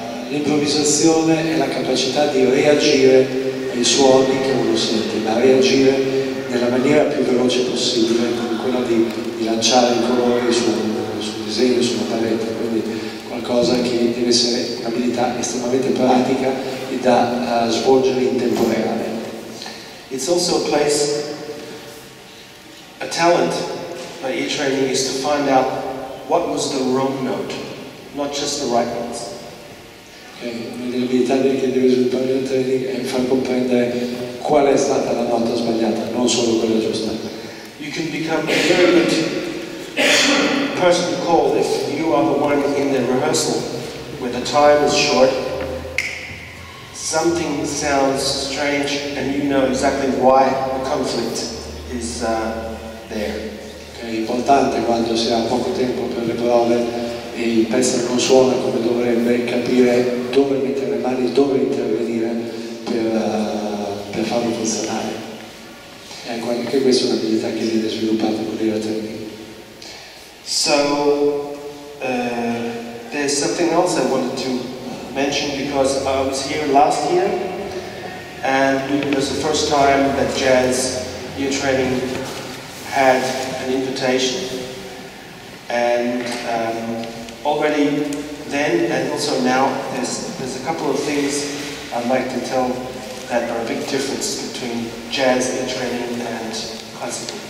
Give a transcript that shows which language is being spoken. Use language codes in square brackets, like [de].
[it] L'improvvisazione è la capacità di reagire ai suoni che uno sente, ma reagire nella maniera più veloce possibile, quella di lanciare i colori su un disegno, su una tavoletta, quindi qualcosa che deve essere un'abilità estremamente pratica e da svolgere in tempo reale. [en] It's also a place, a talent by each trainee is to find out what was the wrong note, not just the right ones. [it] L'abilità che deve sviluppare il training è far comprendere qual è stata la nota sbagliata, non solo quella giusta. [en] You can become a very good person to call if you are the one in the rehearsal where the time is short, something sounds strange and you know exactly why the conflict is there. [it] È importante quando si ha poco tempo per le prove e il pezzo non suona come dovrebbe, capire dove mettere le mani, dove intervenire per farlo funzionare. Ecco, anche questa è un'abilità che viene sviluppata con il training. [en] So, there's something else I wanted to mention because I was here last year and it was the first time that Jazz Year Training had an invitation and already then and also now there's a couple of things I'd like to tell that are a big difference between jazz in training and classical.